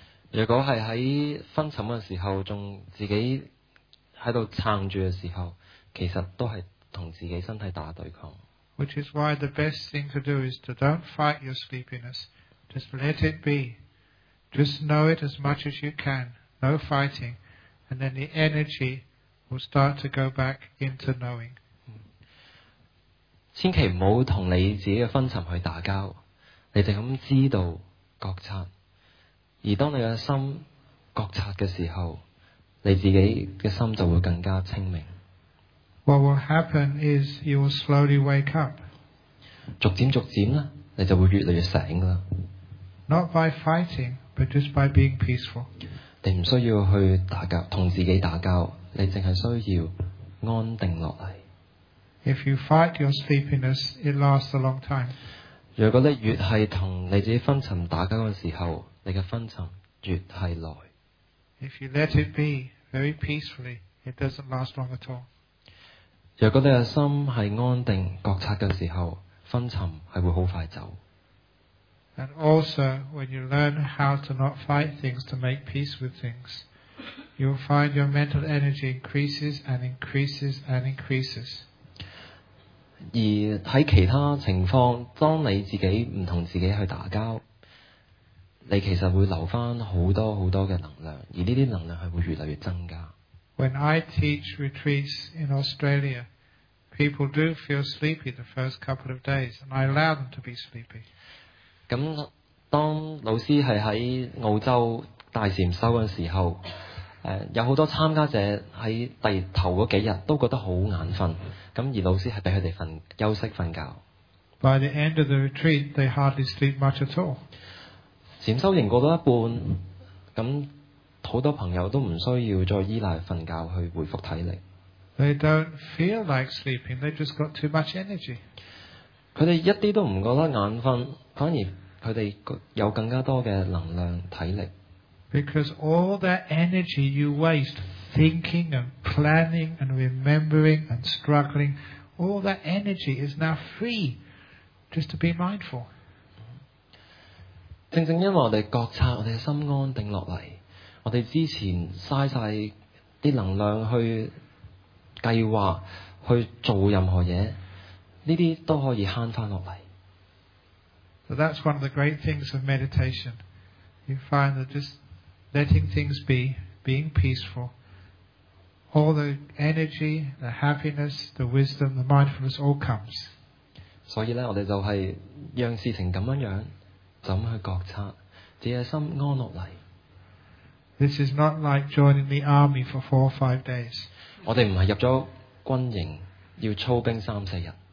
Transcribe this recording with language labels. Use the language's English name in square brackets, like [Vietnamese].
[Cantonese] 如果是在昏沉的時候還自己在撐住的時候，其實都是跟自己身體打對抗。 [English] Which is why the best thing to do is to don't fight your sleepiness. Just let it be. Just know it as much as you can. No fighting. And then the energy will start to go back into knowing. [Cantonese] 千萬不要跟你自己的昏沉去打架，你就咁知道覺察，而當你嘅心覺察嘅時候，你自己嘅心就會更加清明。 [English] What will happen is you will slowly wake up. [Cantonese] 逐漸咧，你就會越嚟越醒啦。 [English] Not by fighting, but just by being peaceful. [Cantonese] 你唔需要去打交，同自己打交，你淨係需要安定落嚟。 [English] If you fight your sleepiness, it lasts a long time. [Cantonese] 如果你越是跟你自己昏沉打架的時候，你的昏沉越是耐。 [English] If you let it be very peacefully, it doesn't last long at all. [Cantonese] 如果你的心是安定覺察的時候，昏沉是會很快走。 [English] And also, when you learn how to not fight things, to make peace with things, you will find your mental energy increases and increases and increases. [Cantonese] 而在其他情況，當你自己不跟自己去打交，你其實會留下很多很多的能量，而這些能量是會越來越增加。 [English] When I teach retreats in Australia, people do feel sleepy the first couple of days, and I allow them to be sleepy. [Cantonese] 咁當老師是在澳洲大禅修的時候，有很多參加者在第頭嗰幾日都覺得很眼瞓，咁而老師係俾佢哋瞓休息瞓覺。 [English] By the end of the retreat, they hardly sleep much at all. [Cantonese] 禅修營過到一半，咁好多朋友都唔需要再依賴瞓覺去回復體力。 [English] They don't feel like sleeping. They just got too much energy. [Cantonese] 佢哋一啲都唔覺得眼瞓，反而佢哋有更加多嘅能量體力。 [English] Because all that energy you waste thinking and planning and remembering and struggling, all that energy is now free just to be mindful. [Cantonese] 正正因為我哋覺察，我哋心安定落嚟，我哋之前嘥曬啲能量去計劃去做任何嘢，呢啲都可以慳翻落嚟。 [English] But that's one of the great things of meditation. You find that just letting things be, being peaceful, all the energy, the happiness, the wisdom, the mindfulness all comes. [Cantonese] 所以呢，我哋就係讓事情咁樣樣，就咁去覺察，自己心安落嚟。 [English] This is not like joining the army for 4 or 5 days. [Cantonese] 我哋唔係入咗軍營，要操兵3-4日。